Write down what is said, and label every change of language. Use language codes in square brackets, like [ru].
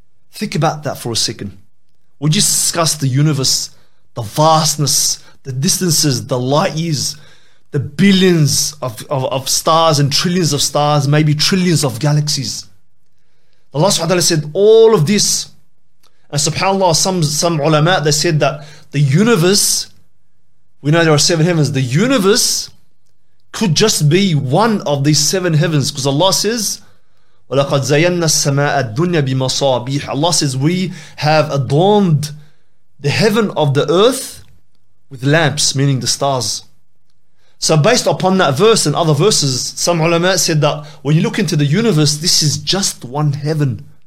[en] Think about that for a second. We just discussed the universe, the vastness, the distances, the light years, the billions of stars and trillions of stars, maybe trillions of galaxies. Allah subhanahu wa ta'ala said all of this. And subhanAllah, some ulama, they said that the universe, we know there are seven heavens, the universe could just be one of these seven heavens. Because Allah says, [ar] وَلَقَدْ زَيَّنَّا السَّمَاءَ الدُّنْيَا بِمَصَابِيحَ. [en] Allah says, we have adorned the heaven of the earth with lamps, meaning the stars. So based upon that verse and other verses, some ulama said that when you look into the universe, this is just one heaven.